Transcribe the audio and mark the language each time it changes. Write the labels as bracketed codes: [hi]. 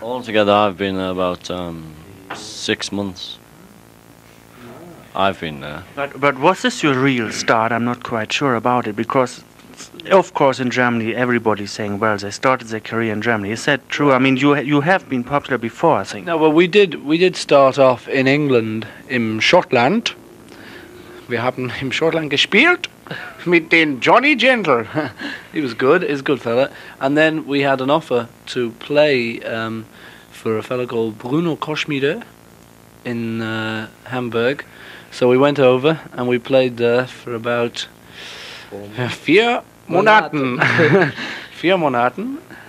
[en] Altogether I've been about 6 months. I've been there. But was this your real start? I'm not quite sure about it, because of course in Germany everybody's saying, well, they started their career in Germany. Is that true? I mean, you have been popular before, I think. No, well, we did start off in England, in Schottland. [de] Wir haben im Schottland gespielt mit den Johnny Gentle. [en] He was good. He's a good fella. And then we had an offer to play for a fella called Bruno Koschmider in Hamburg. So we went over and we played there for about [de] 4 Monaten. 4 Monaten.